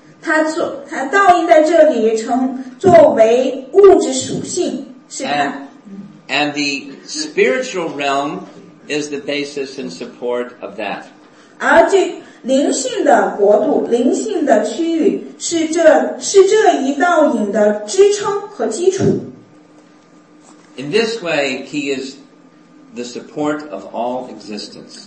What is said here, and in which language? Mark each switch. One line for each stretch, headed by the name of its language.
Chinese: 他倒映在这里成作为物质属性是吧
English: and the spiritual realm is the basis and support of that
Chinese: 而这灵性的国度灵性的区域是这一倒影的支撑和基础
English: in this way he isThe support of all existence.